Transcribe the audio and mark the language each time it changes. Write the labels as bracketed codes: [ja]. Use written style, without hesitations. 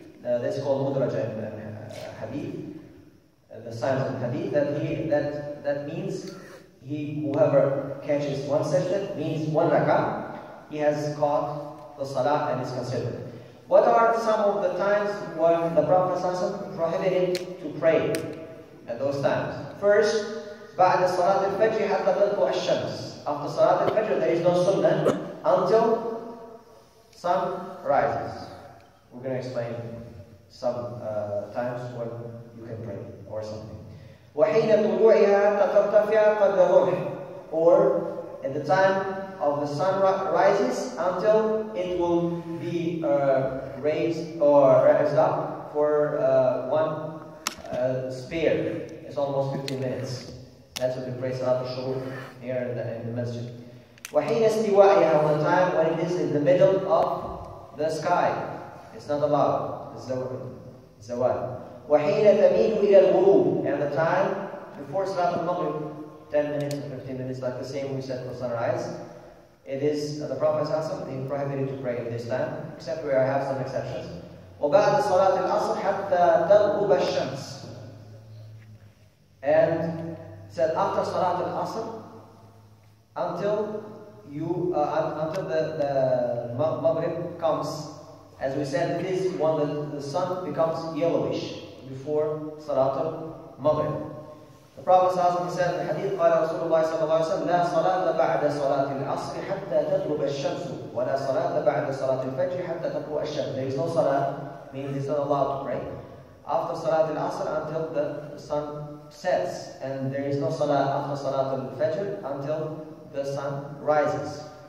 [en] That's called mudraja in the hadith, the signs of the hadith. That means whoever catches one sajda means one rak'ah. He has caught the salah and is considered. What are some of the times when the Prophet prohibited to pray at those times? [ar] First, بعد صلاة الفجر حتى تطلع الشمس. [en] After صلاة الفجر, there is no sunnah until sun rises. We're going to explain some times when you can pray or something. [ar] وحين طلوعها تترتفع قد الروح. [en] Or at the time of the sun rises until it will be raised or raised up for one spear. It's almost 15 minutes. That's what we pray Salat al-Shuruq here in the masjid. [ar] وحين استواءها, [en] the time when it is in the middle of the sky. It's not allowed. It's zawal. [ar] وحين تميل إلى الغروب, [en] and the time before Salat al-Maghrib, 10 minutes or 15 minutes, like the same we said for sunrise. It is the Prophet ﷺ being prohibited to pray in this time, except where I have some exceptions. [ar] وبعد صلاة العصر حتى تغرب الشمس. [en] And said after صلاة العصر until the Maghrib comes, as we said, it is when the sun becomes yellowish before صلاة المغرب. The Prophet ﷺ said in the hadith, [ar] قال رسول الله صلى الله عليه وسلم, لا صلاة بعد صلاة العصر حتى تغرب الشمس ولا صلاة بعد صلاة الفجر حتى تطلع الشمس. [en] There is no salah, means it's not allowed to pray after Salat al-Asr until the sun sets, and there is no salah after Salat al-Fajr until the sun rises.